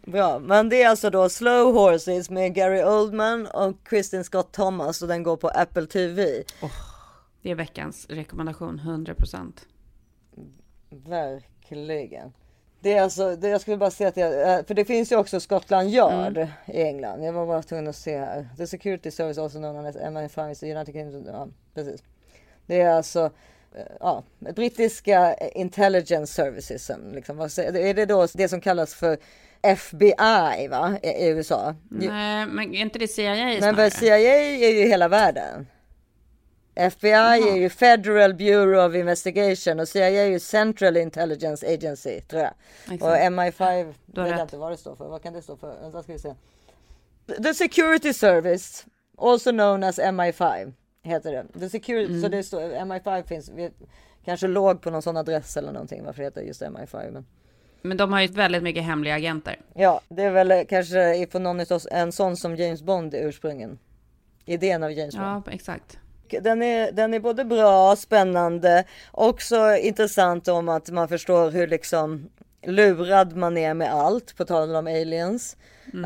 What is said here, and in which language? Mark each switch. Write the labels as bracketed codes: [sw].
[sv] Bra, men det är alltså då Slow Horses med Gary Oldman och Christian Scott Thomas. Och den går på Apple TV. Det är veckans rekommendation, 100%. Verkligen. Det är alltså, jag skulle bara säga att för det finns ju också Scotland Yard i England. Jag var bara tvungen att se här. [en] The Security Service also known as MI5 is the United Kingdom. [sv] Ja, precis. Det är alltså brittiska intelligence services. Liksom. Är det då det som kallas för FBI, va? I USA? Nej, men inte det CIA snarare. Men CIA är ju hela världen. FBI är ju Federal Bureau of Investigation och CIA är ju Central Intelligence Agency, tror jag. Exakt. Och MI5, jag vet inte vad det står för. Vad kan det stå för? Vänta, ska vi se. [en] The Security Service, also known as MI5, [sv] heter det. The Security, så det står, MI5 finns, vi kanske låg på någon sån adress eller någonting, varför heter det just MI5, men... Men de har ju väldigt mycket hemliga agenter. Ja, det är väl kanske för någon av oss en sån som James Bond i ursprungen. Idén av James Bond. Ja, exakt. Den är både bra och spännande. Också intressant om att man förstår hur liksom lurad man är med allt, på tal om aliens. Mm.